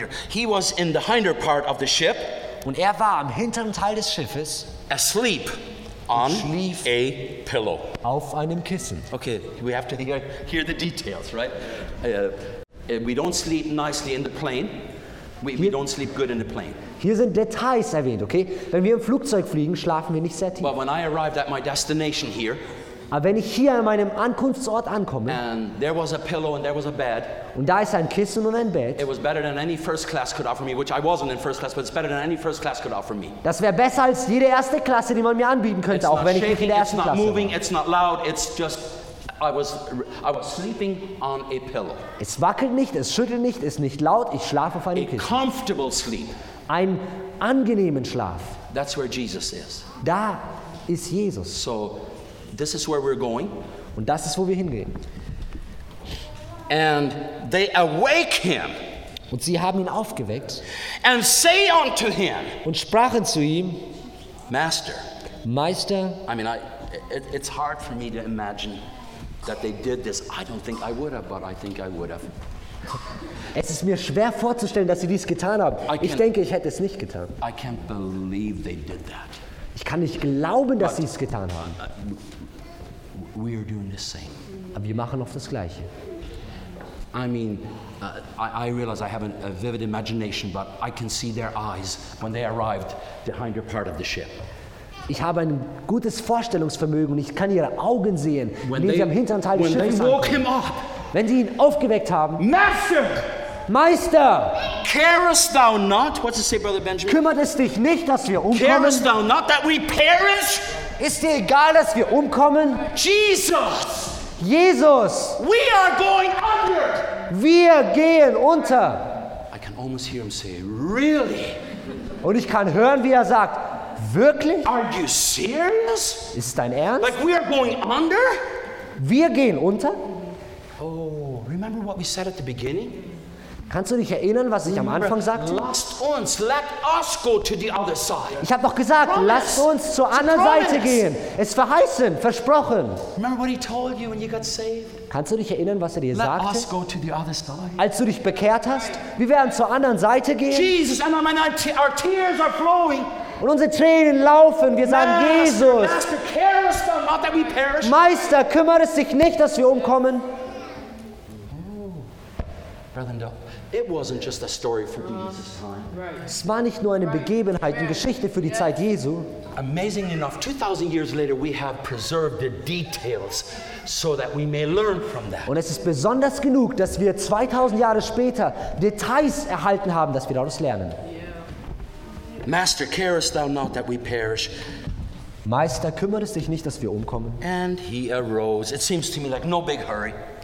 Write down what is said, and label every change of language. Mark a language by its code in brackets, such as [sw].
[en] He was in the hinder part of the ship. [de] Und er war am hinteren Teil des Schiffes. [en] Asleep. On a pillow. [de] Auf einem Kissen. [en] Okay, we have to hear the details, right? We don't sleep nicely in the plane. We don't sleep good in the plane. [de] Hier sind Details erwähnt, okay? Wenn wir im Flugzeug fliegen, schlafen wir nicht sehr tief. [en] But when I arrived at my destination here, [de] aber wenn ich hier an meinem Ankunftsort ankomme, [en] and there was a pillow and there was a bed, [de] und da ist ein Kissen und ein Bett, [en] it was better than any first class could offer me, which I wasn't in first class, but it's better than any first class could offer me. [de] Das wäre besser als jede erste Klasse, die man mir anbieten könnte, auch wenn ich nicht in der ersten Klasse war. [en] It's not moving, it's not loud, it's just, I was sleeping on a pillow. [de] Es wackelt nicht, es schüttelt nicht, es ist nicht laut, ich schlafe auf einem Kissen. [en] A comfortable sleep. [de] Ein angenehmen Schlaf. [en] That's where Jesus is. [de] Da ist Jesus. [en] So, this is where we're going. [de] Und das ist, wo wir hingehen. [en] And they awake him. [de] Und sie haben ihn aufgeweckt. [en] And say unto him. [de] Und sprachen zu ihm. [en] Master. [de] Meister. [en] I mean, it's hard for me to imagine that they did this. I don't think I would have, but I think I would have. [de] Es ist mir schwer vorzustellen, dass sie dies getan haben. Ich denke, ich hätte es nicht getan. [en] I can't believe they did that. [de] Ich kann nicht glauben, dass sie es getan haben. [en] We are doing the same. [de] Aber wir machen oft das Gleiche. [en] I mean, I realize I have a vivid imagination, but I can see their eyes when they arrived the hinder part of the ship. [de] Ich habe ein gutes Vorstellungsvermögen und ich kann ihre Augen sehen, wenn sie am hinteren Teil des Schiffes ankommen. Wenn sie ihn aufgeweckt haben. [en] Master! [de] Meister! [en] Carest thou not, what's it say, Brother Benjamin? [de] Kümmert es dich nicht, dass wir umkommen? [en] Carest thou not that we perish? [de] Ist dir egal, dass wir umkommen? [en] Jesus! [de] Jesus! [en] We are going under! [de] Wir gehen unter! [en] I can almost hear him say, really? [de] Und ich kann hören, wie er sagt, wirklich? [en] Are you serious? [de] Ist dein Ernst? [en] Like we are going under? [de] Wir gehen unter? [en] Oh, remember what we said at the beginning? [de] Kannst du dich erinnern, was ich am Anfang sagte? Lasst uns, [en] let us go to the other side. [de] Ich habe doch gesagt, lasst uns zur anderen Seite gehen. Es verheißen, versprochen. [en] Remember what he told you when you got saved? [de] Kannst du dich erinnern, was dir sagte? [en] Let us go to the other side. [de] Als du dich bekehrt hast, wir werden zur anderen Seite gehen. [en] Jesus, and our tears are flowing. [de] Und unsere Tränen laufen. Wir sagen, [en] Master, Jesus. Master, carest thou not that we perish? [de] Meister, kümmert es dich nicht, dass wir umkommen? [en] Brother, it wasn't just a story for Jesus' time. [de] Es war nicht nur eine Begebenheit, eine Geschichte für die Zeit Jesu. [en] Amazing enough, 2,000 years later, we have preserved the details so that we may learn from that. [de] Und es ist besonders genug, dass wir 2,000 Jahre später Details erhalten haben, dass wir daraus lernen. [en] Master, carest thou not that we perish? [de] Meister, kümmert es dich nicht, dass wir umkommen? [en] And he arose. It seems to me like no big hurry.